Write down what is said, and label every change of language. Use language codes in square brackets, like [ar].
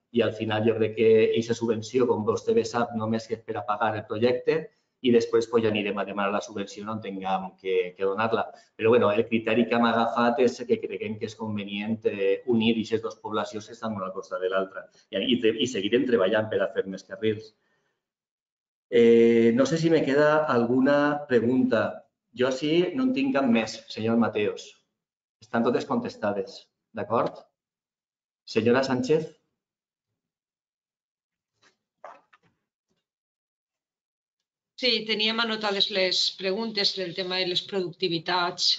[ca] I al final jo crec que aquesta subvenció, com vostè bé sap, només és per a pagar el projecte, i després ja anirem a demanar la subvenció on tinguem que donar-la. Però bé, el criteri que hem agafat és que creguem que és convenient unir aquestes dues poblacions que estan una al costat de l'altra. I seguirem treballant per a fer més carrils. [es] No sé si me queda alguna pregunta. [ca] Jo així no en tinc cap més, senyor Mateos. Estan totes contestades, d'acord? Senyora Sánchez? Sí, teníem anotades les preguntes del tema de les productivitats.